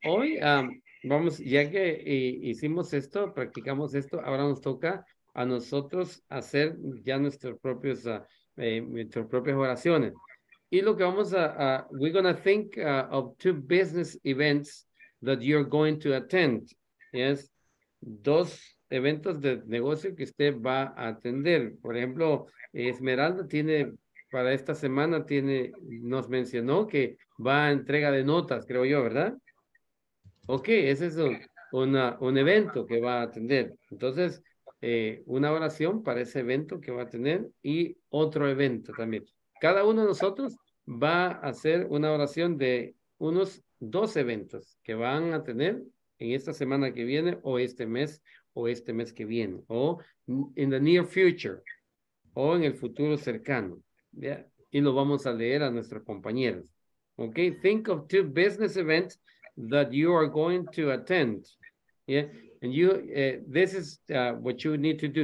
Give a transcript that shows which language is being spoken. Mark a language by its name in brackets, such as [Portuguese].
[Spanish] Hoy, vamos, ya que hicimos esto, practicamos esto, ahora nos toca a nosotros hacer ya nuestros propios... nuestras propias oraciones. Y lo que vamos a, [English] we're going to think of 2 business events that you're going to attend. Yes. [Spanish] 2 eventos de negocio que usted va a atender. Por ejemplo, Esmeralda tiene, para esta semana tiene, nos mencionó que va a entrega de notas, creo yo, ¿verdad? Ok, ese es un evento que va a atender. Entonces, una oración para ese evento que va a tener y otro evento también. Cada uno de nosotros va a hacer una oración de unos 2 eventos que van a tener en esta semana que viene o este mes que viene, o [English] in the near future, [Spanish] o en el futuro cercano. Yeah. Y lo vamos a leer a nuestros compañeros. [English] Okay, think of 2 business events that you are going to attend. Yeah. And you, this is what you need to do.